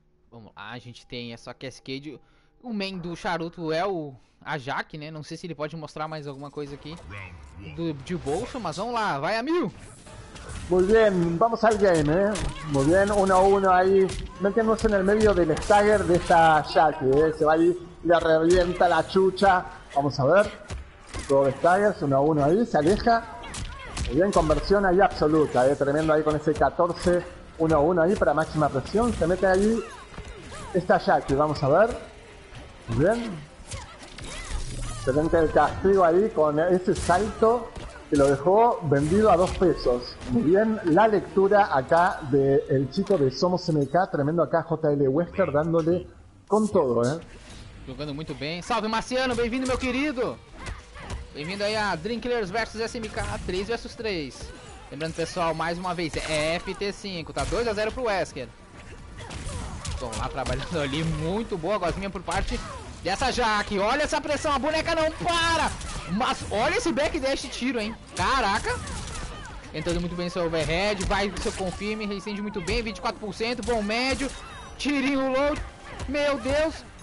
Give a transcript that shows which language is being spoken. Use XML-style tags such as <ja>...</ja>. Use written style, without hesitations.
<pt>Vamos lá, a gente tem essa Cascade. O main do Charuto é o Ajak, né? Não sei se ele pode mostrar mais alguma coisa aqui de bolso, mas vamos lá, vai a mil!</pt> <es>Muy bien, vamos al game, ¿eh? Muy bien, 1-1 ahí. Metemos en el medio del stagger de esta Jackie, ¿eh? Se va ahí, le revienta la chucha. Vamos a ver. Todo de staggers, 1-1 ahí, se aleja. Muy bien, conversión ahí absoluta, ¿eh? Tremendo ahí con ese 14. 1-1 ahí para máxima presión. Se mete ahí esta Jackie, vamos a ver. Muy bien. Excelente el castigo ahí con ese salto. Que lo dejó vendido a 2 pesos. Muy bien, la lectura acá del chico de Somos MK. Tremendo acá, JL Wesker, dándole con todo, ¿eh? Jugando muy bien. Salve, Marciano, bienvenido, mi querido. Bienvenido ahí a Drinkers vs SMK 3 vs 3.</es> <pt>Lembrando, pessoal, mais uma vez, é FT5, tá 2-0 pro Wesker. Vamos lá, trabalhando ali, muito boa, gosminha por parte dessa Jaque. Olha essa pressão, a boneca não para. Mas olha esse backdash tiro, hein? Caraca! Entrando muito bem seu overhead, vai seu confirme, reincende muito bem, 24%, bom médio, tirinho low, meu Deus!</pt>